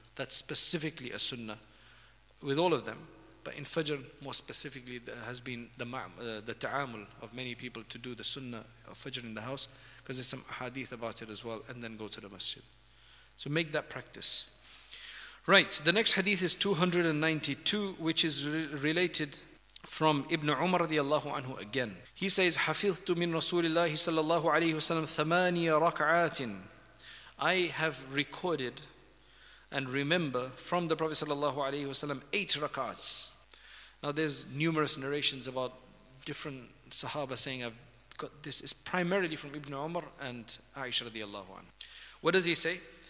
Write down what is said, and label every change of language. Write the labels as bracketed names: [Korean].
[English] That's specifically a sunnah with all of them. But in Fajr, more specifically, there has been the ta'amul of many people to do the sunnah of Fajr in the house, because there's some hadith about it as well, and then go to the masjid. So make that practice. Right, the next hadith is 292, which is related from Ibn Umar radiallahu anhu again. He says, [Arabic] حَفِظْتُ مِنْ رَسُولِ اللَّهِ صَلَّى اللَّهُ عَلَيْهُ وَسَلَّمْ ثَمَانِيَ رَكْعَاتٍ. [English] I have recorded and remember from the Prophet sallallahu alayhi wasallam 8 rak'ats. Now there's numerous narrations about different sahaba saying I've got this. It's primarily from Ibn Umar and Aisha radiallahu anhu. What does he say?